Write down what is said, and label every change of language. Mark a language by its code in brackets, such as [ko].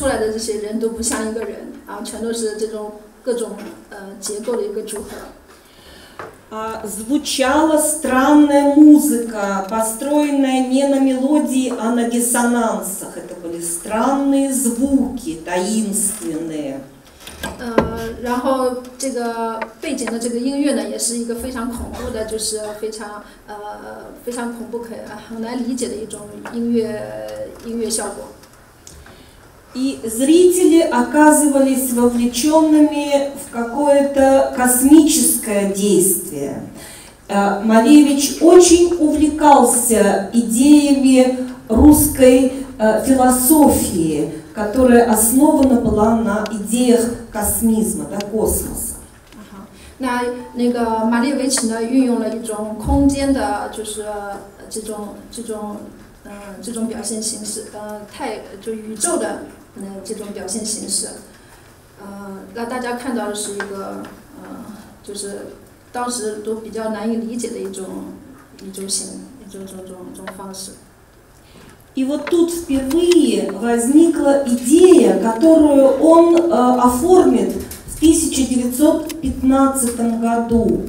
[zh] 我们可以看到，在这个话剧舞台上，我们给那个观众们展示的是什么？就是，老师刚才说了一句话，就是展示的出来的这些人都不像一个人，然后全都是这种。各种结构的一个组合， [ru] звучала странная музыка, построенная не на мелодии, а на диссонансах. Это были странные звуки, таинственные. [zh] 然后这个背景的这个音乐呢，也是一个非常恐怖的，就是非常恐怖可很难理解的一种音乐效果。 [ru] И зрители оказывались вовлеченными в какое-то космическое действие. Малевич очень увлекался идеями русской философии, которая основана была на идеях космизма, да, космоса. [zh] 那个马列维奇呢，运用了一种空间的，就是这种表现形式，太就宇宙的这种表现形式，让大家看到的是一个，就是当时都比较难以理解的一种形，一种方式。 [ru] И вот тут впервые возникла идея, которую он оформит в 1915 году.